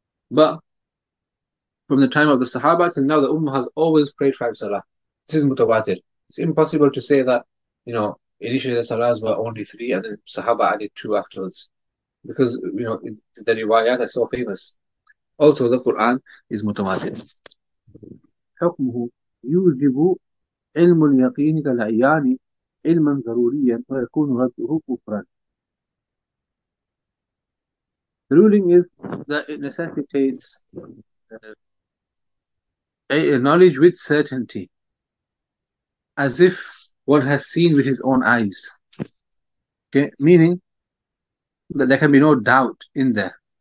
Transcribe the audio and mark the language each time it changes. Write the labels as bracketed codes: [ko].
[en] But from the time of the Sahaba till now, the Ummah has always prayed five salah. This is mutawatir. It's impossible to say that, initially the salahs were only three and then Sahaba added two afterwards. Because, the riwayat is so famous. Also, the Quran is mutawatir. [ar] حكمه يوجب علم اليقين كالعيان علما ضروريا ويكون رده كفرا. [en] The ruling is That it necessitates a knowledge with certainty, as if one has seen with his own eyes. Okay? Meaning that there can be no doubt in there.